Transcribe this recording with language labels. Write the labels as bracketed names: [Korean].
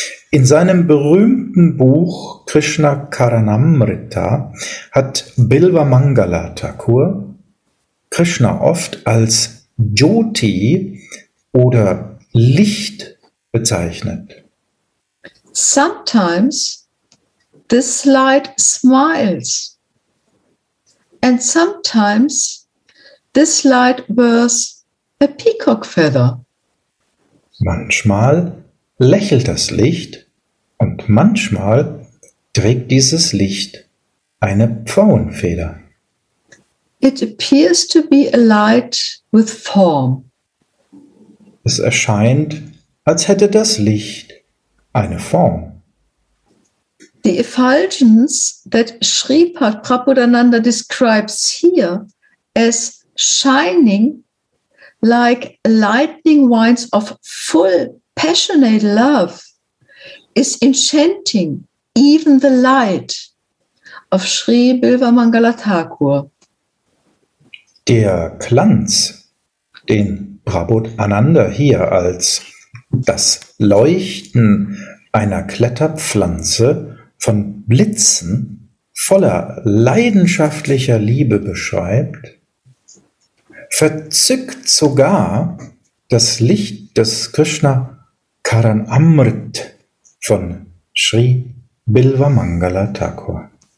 [German] In seinem berühmten Buch Krishna Karanamrita hat Bilvamangala Thakur Krishna oft als Jyoti oder Licht bezeichnet. [English] Sometimes this light smiles and sometimes this light wears a peacock feather. [German] Manchmal lächelt das Licht und manchmal trägt dieses Licht eine Pfauenfeder. [English] It appears to be a light with form. [German] Es erscheint, als hätte das Licht eine Form. [English] The effulgence that Sripad Prabhupadananda describes here as shining like lightning winds of full passionate love is enchanting even the light of Sri Bilvamangala Thakur. [German] Der Glanz, den Prabhupadananda hier als das Leuchten einer Kletterpflanze von Blitzen voller leidenschaftlicher Liebe beschreibt, verzückt sogar das Licht des Krishna Karanamrit von Sri Bilvamangala Thakur.